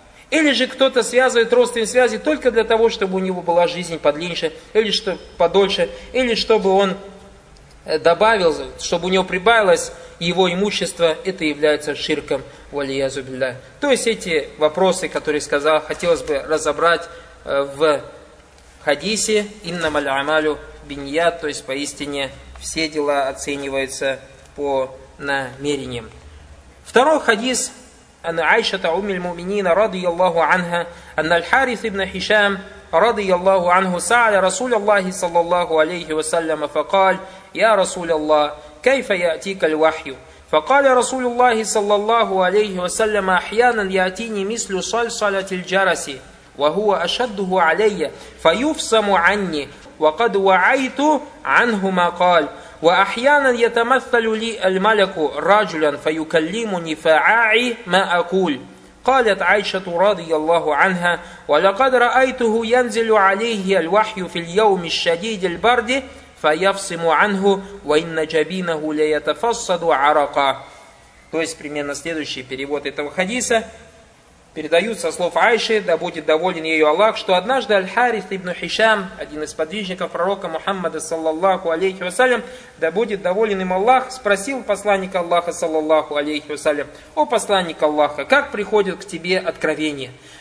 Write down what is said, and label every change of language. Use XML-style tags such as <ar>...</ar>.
<ru>Или же кто-то связывает родственные связи только для того, чтобы у него была жизнь подлиннее, или что подольше, или чтобы он добавил, чтобы у него прибавилось его имущество, это является ширком валия зубилля. То есть эти вопросы, которые сказал, хотелось бы разобрать в хадисе</ru> <ar>«Инна маль амалю биньят»,</ar> <ru>то есть поистине все дела оцениваются по намерениям. Второй хадис.</ru> <ar>أن عائشة أم المؤمنين رضي الله عنها أن الحارث بن هشام رضي الله عنه سأل رسول الله صلى الله عليه وسلم فقال يا رسول الله كيف يأتيك الوحي فقال رسول الله صلى الله عليه وسلم أحيانا يأتيني مثل صلصلة الجرس وهو أشده علي فيفصم عني وقد وعيت عنه ما قال وأحيانا يتمثل لي الملك رجلا فيكلمني فأعي ما أقول قالت عائشة رضي الله عنها ولقد رأيته ينزل عليه الوحي في اليوم الشديد البرد فيفصم عنه وإن جبينه ليتفصد عرقا.</ar> <ru>То есть примерно следующий перевод этого хадиса. Передаются слов Айши, да будет доволен ею Аллах, что однажды Аль-Харис ибн Хишам, один из подвижников пророка Мухаммада, саллаллаху алейхи вассалям, да будет доволен им Аллах, спросил посланника Аллаха, саллаллаху алейхи вассалям: «О посланник Аллаха, как приходит к тебе откровение?»</ru>